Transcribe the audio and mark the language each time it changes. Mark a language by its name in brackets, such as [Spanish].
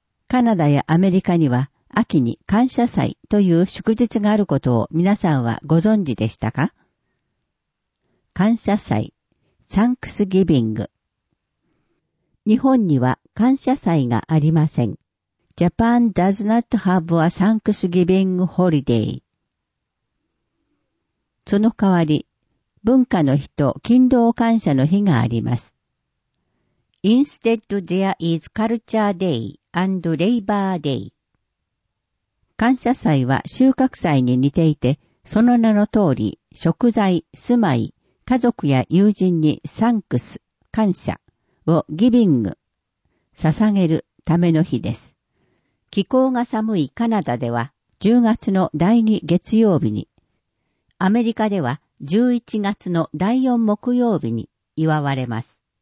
[Japanese] カナダやアメリカには秋に感謝祭という祝日があることを皆さんはご存知でしたか？感謝祭。サンクスギビング。日本には感謝祭がありません。 [English] Japan does not have a Thanksgiving holiday. [Japanese] その代わり、文化の日と勤労感謝の日があります。 [English] Instead there is Culture Day and Labor Day. [Japanese] 感謝祭は収穫祭に似ていて、その名の通り、食材、住まい、家族や友人にサンクス、感謝をギビング、捧げるための日です。気候が寒いカナダでは10月の第2月曜日に、アメリカでは11月の第4木曜日に祝われます。